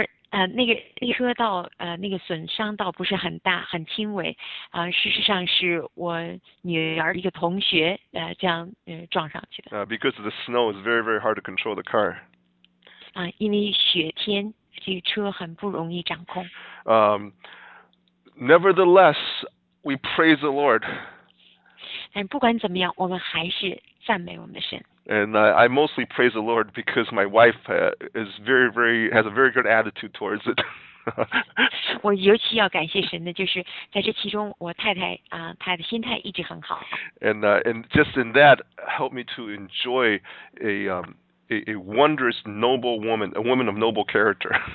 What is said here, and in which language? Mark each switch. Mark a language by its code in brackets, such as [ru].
[zh] 那个车道那个损伤倒不是很大，很轻微。事实上是我女儿一个同学这样撞上去的。 [en] Because of the snow, it's very very hard to control the car. [zh] 因为雪天，这个车很不容易掌控。 [en] Nevertheless, we praise the Lord. [zh] 但不管怎么样，我们还是赞美我们的神。 [en] And I mostly praise the Lord because my wife is very, very has a very good attitude towards it. [zh] 我尤其要感谢神的，就是在这其中，我太太她的心态一直很好。 [en] And just in that, helped me to enjoy a wondrous, noble woman, a woman of noble character.